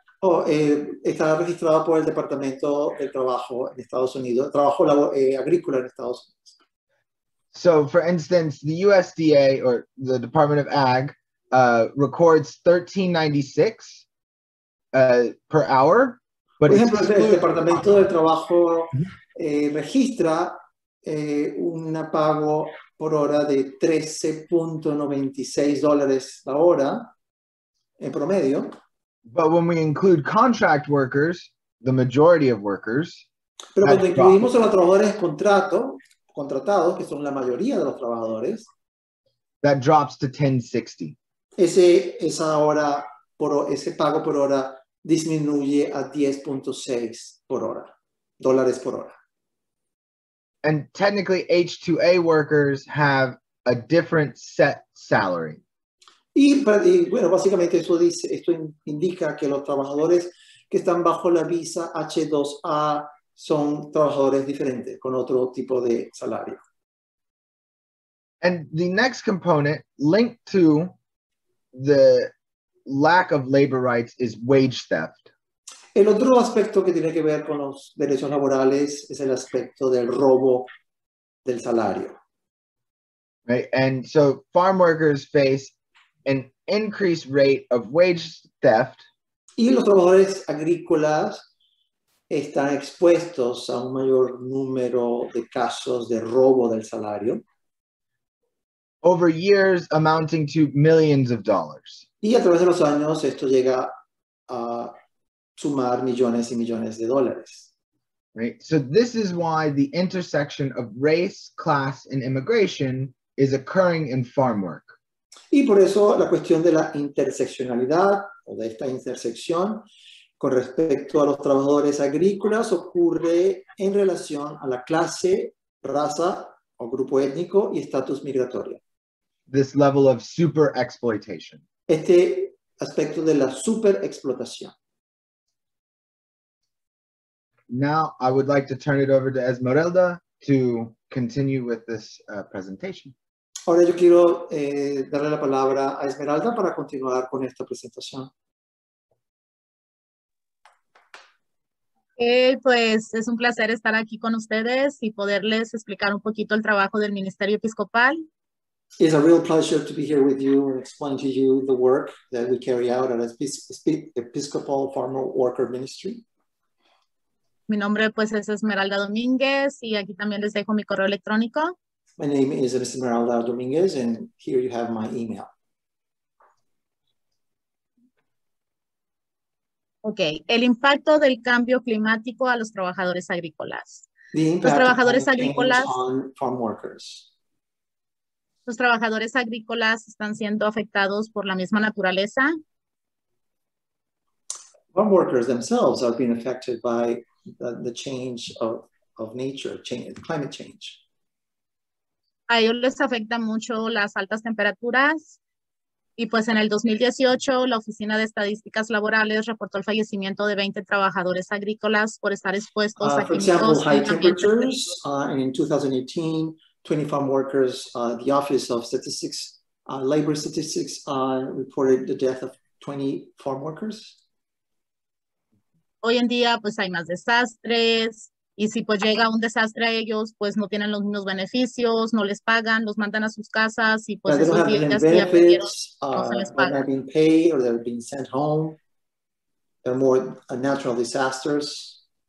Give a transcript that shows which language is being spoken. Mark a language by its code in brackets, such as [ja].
[es] Está registrado por el Departamento del Trabajo en Estados Unidos, trabajo agrícola en Estados Unidos. [en] So, for instance, the USDA or the Department of Ag records $13.96 per hour. But [es] por ejemplo, el Departamento del Trabajo registra un pago por hora de $13.96 la hora en promedio. [en] But when we include contract workers, the majority of workers. [es] Pero cuando incluimos a los trabajadores contratados, que son la mayoría de los trabajadores, [en] that drops to $10.60. [es] Ese pago por hora disminuye a $10.6 por hora, dólares por hora. [en] And technically, H-2A workers have a different set salary. [es] Y bueno, básicamente esto indica que los trabajadores que están bajo la visa H-2A son trabajadores diferentes, con otro tipo de salario. [en] And the next component, linked to the lack of labor rights, is wage theft. [es] El otro aspecto que tiene que ver con los derechos laborales es el aspecto del robo del salario. [en] Right, and so farm workers face an increased rate of wage theft. [es] Y los trabajadores agrícolas están expuestos a un mayor número de casos de robo del salario. [en] Over years, amounting to millions of dollars. [es] Y a través de los años, esto llega sumar millones y millones de dólares. [en] Right. So this is why the intersection of race, class, and immigration is occurring in farm work. [es] Y por eso la cuestión de la interseccionalidad o de esta intersección con respecto a los trabajadores agrícolas ocurre en relación a la clase, raza o grupo étnico y estatus migratorio. [en] This level of super exploitation. [es] Este aspecto de la super explotación. [en] Now I would like to turn it over to Esmeralda to continue with this presentation. [es] Ahora yo quiero darle la palabra a Esmeralda para continuar con esta presentación. Pues es un placer estar aquí con ustedes y poderles explicar un poquito el trabajo del Ministerio Episcopal. [en] It's a real pleasure to be here with you and explain to you the work that we carry out at Episcopal Farmer Worker Ministry. [es] Mi nombre pues es Esmeralda Domínguez y aquí también les dejo mi correo electrónico. [en] My name is Esmeralda Domínguez and here you have my email. [es] Okay, el impacto del cambio climático a los trabajadores agrícolas. [en] The impact [es] los trabajadores [en] of agrícolas on farm workers. [es] Los trabajadores agrícolas están siendo afectados por la misma naturaleza. [en] Farm workers themselves are being affected by the change of nature, change, climate change. [es] A ellos les afecta mucho las altas temperaturas. Y pues en el 2018, la Oficina de Estadísticas Laborales reportó el fallecimiento de 20 trabajadores agrícolas por estar expuestos a químicos. [en] For example, high temperatures. And in 2018, 20 farm workers, the Office of Statistics, Labor Statistics, reported the death of 20 farm workers. [es] Hoy en día, pues hay más desastres. Y si pues llega un desastre a ellos, pues no tienen los mismos beneficios, no les pagan, los mandan a sus casas y pues esos días ya perdieron, no se les paga. [en] They're being paid or they're being sent home. They're more natural disasters.